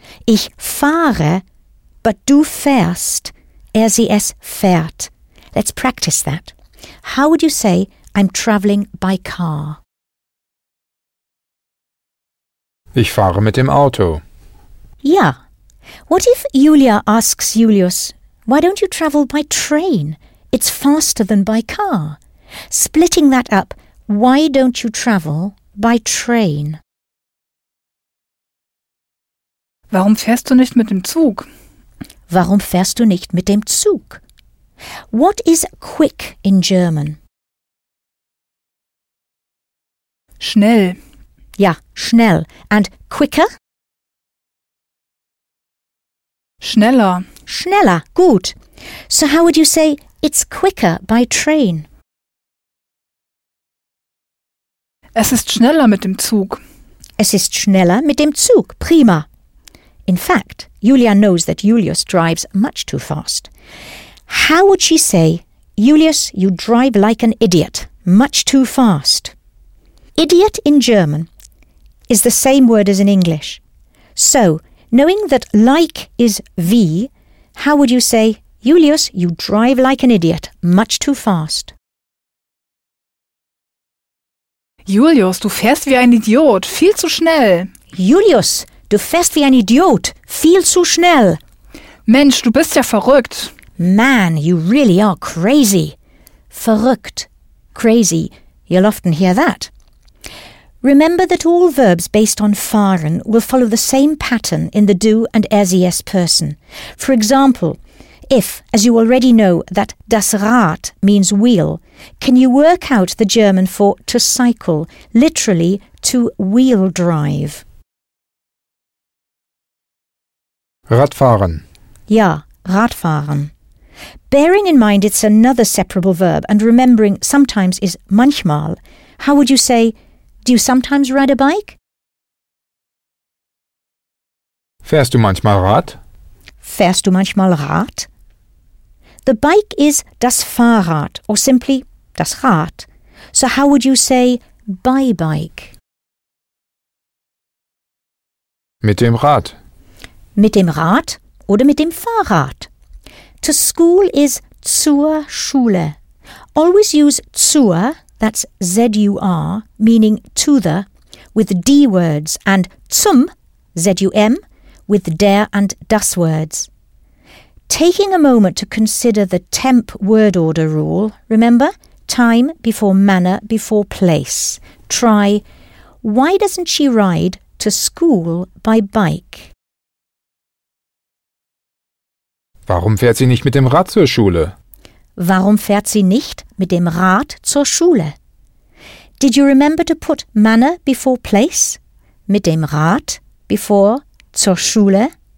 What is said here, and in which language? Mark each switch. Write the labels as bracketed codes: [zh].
[de] Ich fahre, but du fährst, RZS fährt. [en] Let's practice that. How would you say I'm travelling by car? [de] Ich fahre mit dem Auto. Ja. [en] What if Julia asks Julius, why don't you travel by train? It's faster than by car. Splitting that up, why don't you travel by train? [de] Warum fährst du nicht mit dem Zug? Warum fährst du nicht mit dem Zug? [en] What is quick in German? [de] Schnell. Ja, schnell. [en] And quicker? [de] Schneller. Schneller, gut. [en] So how would you say it's quicker by train? [de] Es ist schneller mit dem Zug. Es ist schneller mit dem Zug. Prima. [en] In fact, Julia knows that Julius drives much too fast. How would she say, Julius, you drive like an idiot, much too fast? Idiot in German is the same word as in English. So, knowing that like is wie, how would you say, Julius, you drive like an idiot, much too fast? [de] Julius, du fährst wie ein Idiot, viel zu schnell. Julius, du fährst wie ein Idiot, viel zu schnell. Mensch, du bist ja verrückt. [en] Man, you really are crazy. Verrückt, crazy, you'll often hear that. Remember that all verbs based on fahren will follow the same pattern in the do and RCS person. For example, if, as you already know, that das Rad means wheel, can you work out the German for to cycle, literally to wheel drive? [de] Radfahren. Ja, Radfahren. [en] Bearing in mind it's another separable verb and remembering sometimes is manchmal, how would you say, do you sometimes ride a bike? [de] Fährst du manchmal Rad? Fährst du manchmal Rad? [en] The bike is das Fahrrad or simply das Rad. So how would you say by bike? [de] Mit dem Rad. Mit dem Rad oder mit dem Fahrrad. [en] To school is zur Schule. Always use zur, that's Z-U-R, meaning to the, with D words, and zum, Z-U-M, with der and das words. Taking a moment to consider the temp word order rule, remember, time before manner before place. Try, why doesn't she ride to school by bike? [de] Warum fährt sie nicht mit dem Rad zur Schule? Warum fährt sie nicht mit dem Rad zur Schule? [en] Did you remember to put manner before place? [de] Mit dem Rad before zur Schule?